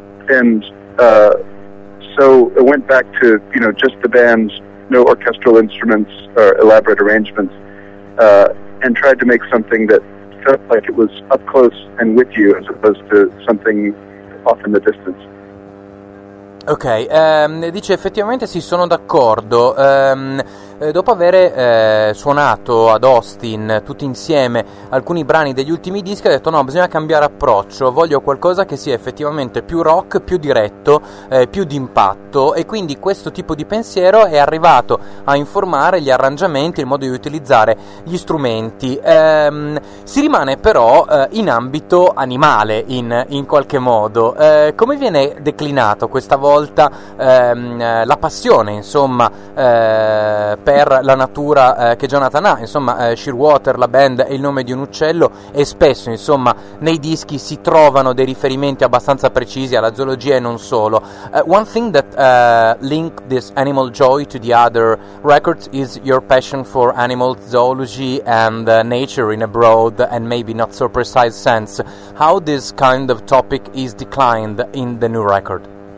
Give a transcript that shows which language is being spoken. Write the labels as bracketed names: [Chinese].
[English] And so it went back to, you know, just the bands, no orchestral instruments or elaborate arrangements, and tried to make something that felt like it was up close and with you, as opposed to something off in the distance. [Italian] Ok, dice effettivamente sì, sono d'accordo. Dopo aver suonato ad Austin tutti insieme alcuni brani degli ultimi dischi, ha detto no, bisogna cambiare approccio, voglio qualcosa che sia effettivamente più rock, più diretto, più d'impatto, e quindi questo tipo di pensiero è arrivato a informare gli arrangiamenti, il modo di utilizzare gli strumenti. Si rimane però in ambito animale in qualche modo. Come viene declinato questa volta la passione, insomma, per la natura che Jonathan ha? Insomma, Shearwater, la band, è il nome di un uccello, e spesso, insomma, nei dischi si trovano dei riferimenti abbastanza precisi alla zoologia e non solo. [English] One thing that link this Animal Joy to the other records is your passion for animals, zoology and nature in a broad and maybe not so precise sense. How this kind of topic is declined in the new record?